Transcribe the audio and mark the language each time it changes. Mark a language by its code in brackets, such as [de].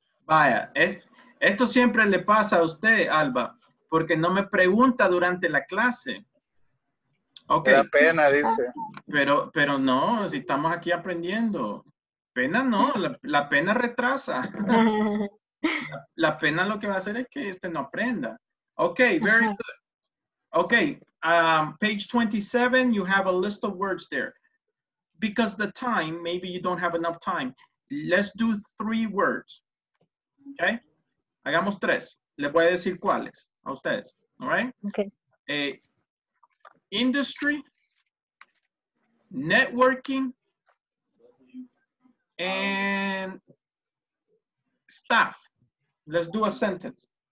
[es] Vaya, esto siempre le pasa a usted, Alba, porque no me pregunta durante la clase. [en] Okay. [es] Da pena, dice. Pero no, si estamos aquí aprendiendo. Pena no, la pena retrasa. La pena lo que va a hacer es que usted no aprenda. [en] Okay, very good. Okay, page 27, you have a list of words there. Because the time, maybe you don't have enough time. Let's do three words, okay? [es] Hagamos tres. Le voy a decir cuáles a ustedes, [en] all right? Okay. Industry, networking, and staff. Let's do a sentence.